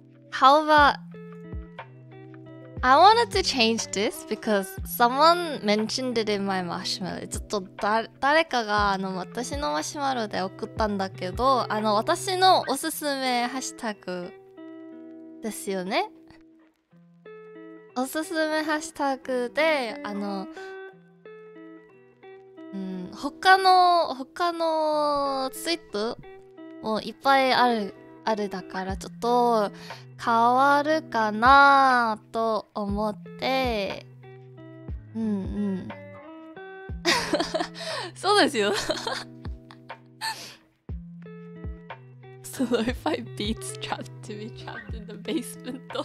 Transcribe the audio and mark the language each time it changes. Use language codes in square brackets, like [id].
[en] How about, I wanted to change this because someone mentioned it in my marshmallow. [ja] ちょっと誰かがマシュマロで送ったんだけど私のおすすめハッシュタグですよね。おすすめハッシュタグで他のツイートもいっぱいあるだからちょっと変わるかなと思って、うんうん、そうですよ。 [en] Lo-fi beats trapped to be trapped in the basement.